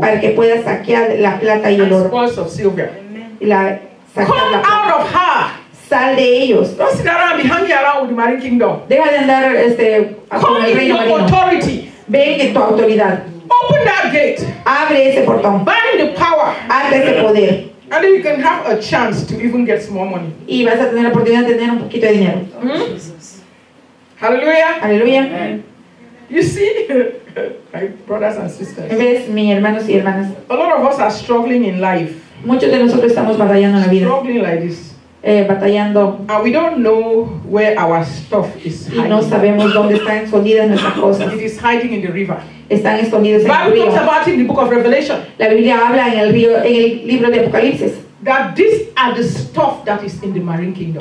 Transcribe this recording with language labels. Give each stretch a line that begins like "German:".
Spanish: Para que pueda saquear la plata y el oro.
English: And spoils of silver.
Spanish: Saquear
English: come
Spanish: la plata.
English: Out of her.
Spanish: Sal de ellos.
English: Don't sit around behind me around with the marine kingdom.
Spanish: Deja de andar con el reino marino.
English: Come in your authority.
Spanish: Ven en tu autoridad.
English: Open that gate.
Spanish: Abre ese portón.
English: Bind the power.
Spanish: Abre ese poder.
English: And then you can have a chance to even get some more money.
Spanish: Y vas a tener la oportunidad de tener un poquito de dinero.
English: Hallelujah. Hallelujah. You see, my brothers and sisters.
Spanish: ¿Ves, mis hermanos y hermanas?
English: A lot of us are struggling in life.
Spanish: Muchos de nosotros estamos batallando en la vida.
English: Struggling like this.
Spanish: batallando.
English: And we don't know where our stuff is hiding.
Spanish: Y no sabemos dónde están escondidas nuestras cosas.
English: It is hiding in the river.
Spanish: Están escondidas en el río.
English: Bible talks about it in the book of Revelation.
Spanish: La Biblia habla en el río, en el libro de Apocalipsis.
English: That these are the stuff that is in the marine kingdom.